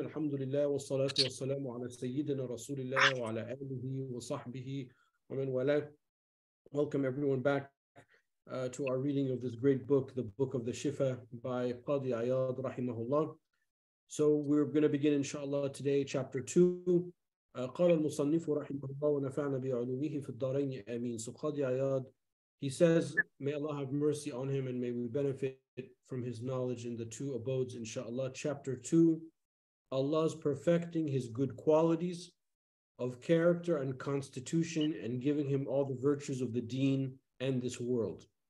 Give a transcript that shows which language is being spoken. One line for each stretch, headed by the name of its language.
Arabic: الحمد لله والصلاة والسلام على سيدنا رسول الله وعلى آله وصحبه ومن والاه.
English: Welcome everyone back to our reading of this great book, the Book of the Shifa by Qadi Iyad rahimahullah. So we're going to begin inshallah today chapter 2.
Arabic: قال المصنف رحمه الله ونفعنا بعلومه في الدارين آمين.
English: So Qadi Iyad, he says, may Allah have mercy on him and may we benefit from his knowledge in the two abodes, inshallah. Chapter 2, Allah's perfecting his good qualities of character and constitution and giving him all the virtues of the deen and this world.